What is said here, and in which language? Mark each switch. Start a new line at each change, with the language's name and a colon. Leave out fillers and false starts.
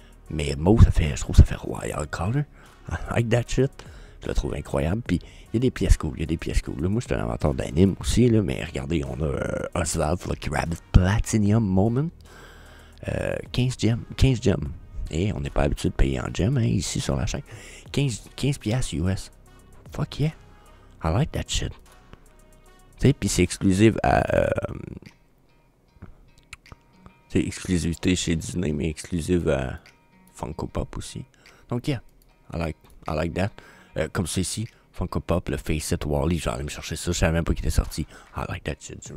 French: Mais mauve, je trouve ça fait
English: royal color. I like that shit.
French: Je le trouve incroyable. Puis, il y a des pièces cool. Là, moi, je suis un amateur d'anime aussi, là. Mais regardez, on a Oswald Lucky Rabbit Platinum Moment. 15 gems. Et on n'est pas habitué de payer en gems, hein, ici sur la chaîne. 15 piastres US.
English: Fuck yeah. I like that shit.
French: Tu sais, puis c'est exclusif à... c'est exclusivité chez Disney, mais exclusif à... Funko Pop aussi. Donc, yeah.
English: I like that.
French: Comme ça ici, Funko Pop, le Faceit Wall-E, je vais aller me chercher ça. Je savais même pas qu'il était sorti.
English: I like that shit.